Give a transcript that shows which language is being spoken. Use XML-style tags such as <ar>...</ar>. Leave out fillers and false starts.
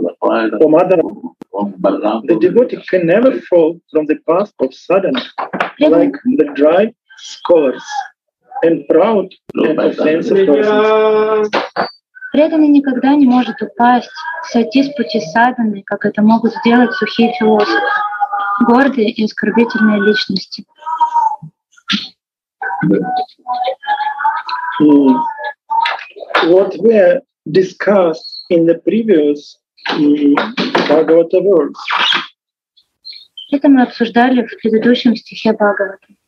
<en>О, Мадхава, the devotee can never fall from the path of sadhana like the dry scholars and proud and offensive persons.</en> <ru>Преданный никогда не может упасть, сойти с пути садханы, как это могут сделать сухие философы, гордые и оскорбительные личности.</ru> <en>What we discussed in the previous Bhagavata verse.</en> <ru>Это мы обсуждали в предыдущем стихе Бхагавата.</ru>